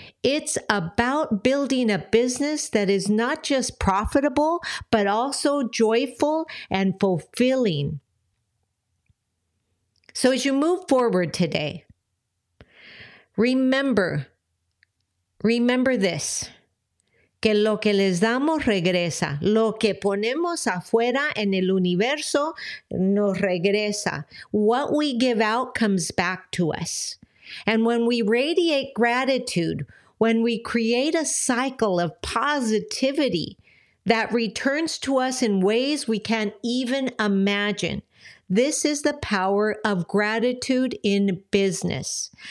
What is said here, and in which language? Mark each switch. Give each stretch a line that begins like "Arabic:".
English: It's about building a business that is not just profitable, but also joyful and fulfilling. So as you move forward today, remember this.
Spanish: Que lo que les damos regresa. Lo que ponemos afuera en el universo nos regresa.
English: What we give out comes back to us. And when we radiate gratitude, when we create a cycle of positivity that returns to us in ways we can't even imagine, this is the power of gratitude in business.